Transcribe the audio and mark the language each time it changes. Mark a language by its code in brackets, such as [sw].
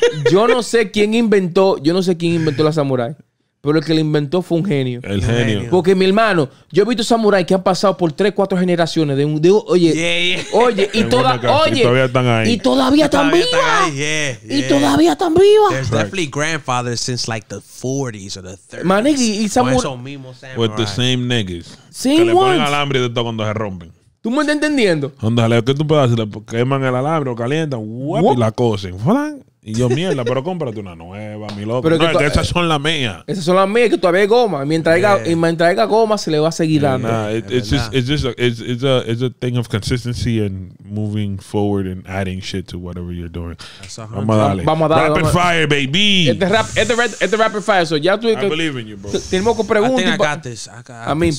[es] Yo no sé quién inventó la samurai, pero el que la inventó fue un genio. El genio. Porque, mi hermano, yo he visto samurai que han pasado por 3-4 generaciones y todavía están vivas. [en] There's definitely grandfathers since like the 40s or the 30s. My nigga, y [es] samurai. Con esos mismos samurai. [en] With the same niggas. Same ones. [es] Que le ponen alambre de todo cuando se rompen. ¿Tú me estás entendiendo? Ándale, ¿qué tú puedes hacer? Queman el alambre o calientan, y la cosen. ¡Flan! Y yo, mierda, pero cómprate una nueva, mi loco. Pero no, esas son las mías. Esas son las mías, que todavía hay goma. Mientras haya goma, se le va a seguir dando. [en] Nah, it's a thing of consistency and moving forward and adding shit to whatever you're doing. [es] Vamos a darle. [en] Rapid fire, baby. [es] Este rapid fire. So ya tuve [en] que, I believe in you, bro. [es] Tenemos que preguntar. [en] I think I got this. I got this.